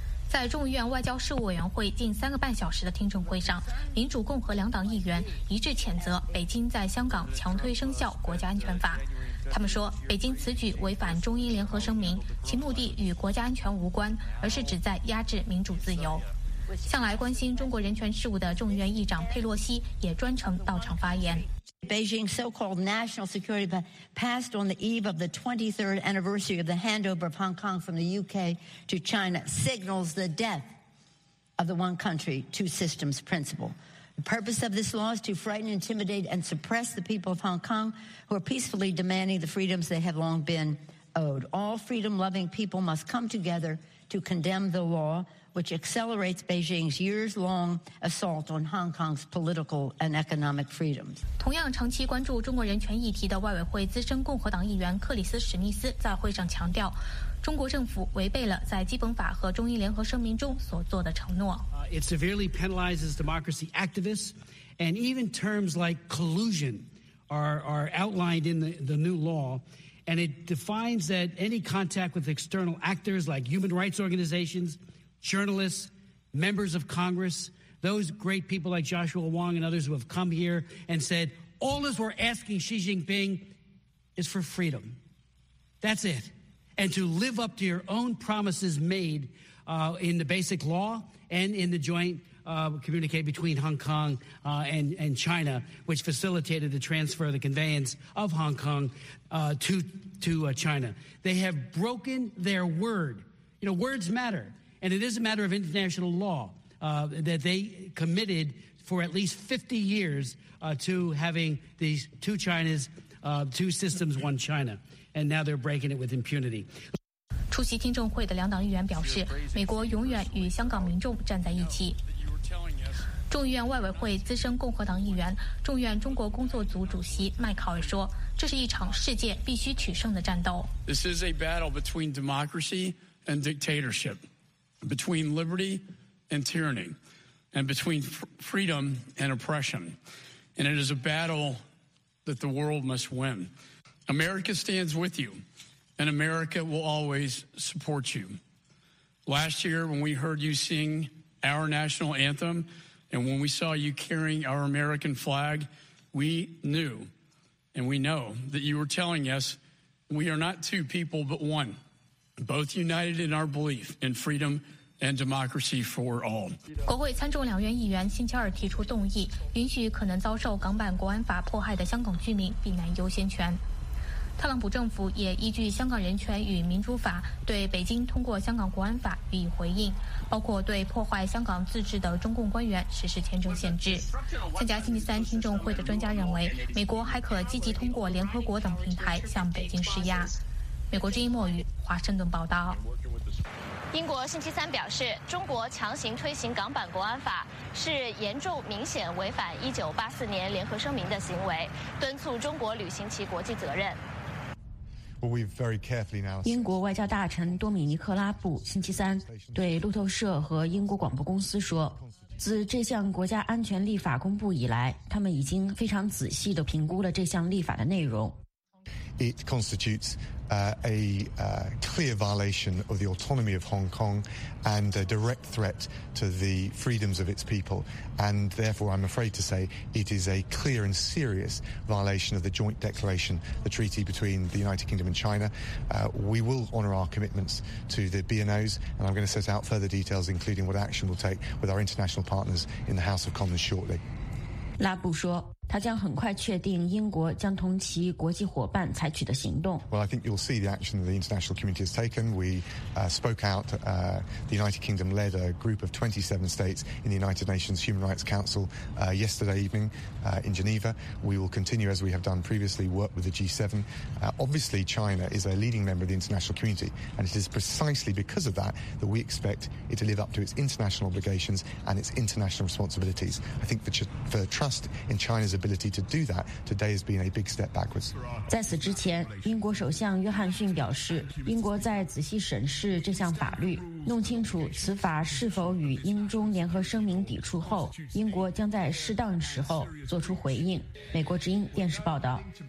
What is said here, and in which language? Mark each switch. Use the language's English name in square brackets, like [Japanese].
[Chinese] 在众议院外交事务委员会近3.5小时的听证会上，民主共和两党议员一致谴责北京在香港强推生效国家安全法。他们说，北京此举违反中英联合声明，其目的与国家安全无关，而是旨在压制民主自由。向来关心中国人权事务的众议院议长佩洛西也专程到场发言。 [English] Beijing's so-called national security plan passed on the eve of the 23rd anniversary of the handover of Hong Kong from the UK to China signals the death of the one country, two systems principle. The purpose of this law is to frighten, intimidate, and suppress the people of Hong Kong who are peacefully demanding the freedoms they have long been owed. All freedom-loving people must come together to condemn the law, which accelerates Beijing's years-long assault on Hong Kong's political and economic freedoms. [Chinese] 同样长期关注中国人权议题的外委会资深共和党议员克里斯·史密斯在会上强调，中国政府违背了在基本法和中英联合声明中所做的承诺。 [English] It severely penalizes democracy activists, and even terms like collusion are outlined in the new law. And it defines that any contact with external actors like human rights organizations, journalists, members of Congress, those great people like Joshua Wong and others who have come here and said, all this we're asking Xi Jinping is for freedom. That's it. And to live up to your own promises made in the basic law and in the joint communique between Hong Kong and China, which facilitated the transfer of the conveyance of Hong Kong to China. They have broken their word. You know, words matter. And it is a matter of international law that they committed for at least 50 years to having these two Chinas, two systems, one China. And now they're breaking it with impunity. [Chinese] 出席听众会的两党议员表示，美国永远与香港民众站在一起。众议院外委会资深共和党议员、众议院中国工作组主席麦考尔说，这是一场世界必须取胜的战斗。 [English] This is a battle between democracy and dictatorship, between liberty and tyranny, and between freedom and oppression. And it is a battle that the world must win. America stands with you. And America will always support you. Last year, when we heard you sing our national anthem, and when we saw you carrying our American flag, we knew, and we know, that you were telling us, we are not two people, but one, both united in our belief in freedom and democracy for all. [Chinese] 国会参众两院议员星期二提出动议，允许可能遭受港版国安法迫害的香港居民避难优先权。特朗普政府也依据《香港人权与民主法》对北京通过《香港国安法》予以回应，包括对破坏香港自治的中共官员实施签证限制。参加星期三听众会的专家认为，美国还可积极通过联合国等平台向北京施压。美国之音莫语华盛顿报道。英国星期三表示，中国强行推行港版国安法是严重明显违反1984年联合声明的行为，敦促中国履行其国际责任。英国外交大臣多米尼克拉布星期三对路透社和英国广播公司说，自这项国家安全立法公布以来，他们已经非常仔细地评估了这项立法的内容。 [English] It constitutes a clear violation of the autonomy of Hong Kong and a direct threat to the freedoms of its people. And therefore, I'm afraid to say it is a clear and serious violation of the joint declaration, the treaty between the United Kingdom and China. We will honour our commitments to the BNOs, and I'm going to set out further details, including what action we'll take with our international partners in the House of Commons shortly. [Chinese] 拉布说，他将很快确定英国将同其国际伙伴采取的行动。 [English] Well, I think you'll see the action the international community has taken. We spoke out. The United Kingdom led a group of 27 states in the United Nations Human Rights Council yesterday evening in Geneva. We will continue, as we have done previously, work with the G7. Obviously, China is a leading member of the international community, and it is precisely because of that that we expect it to live up to its international obligations and its international responsibilities. I think for trust in China's ability to do that, today has been a big step backwards. [Chinese] 在此之前，英国首相约翰逊表示，英国在仔细审视这项法律，弄清楚此法是否与英中联合声明抵触后，英国将在适当时候做出回应。美国之音电视报道。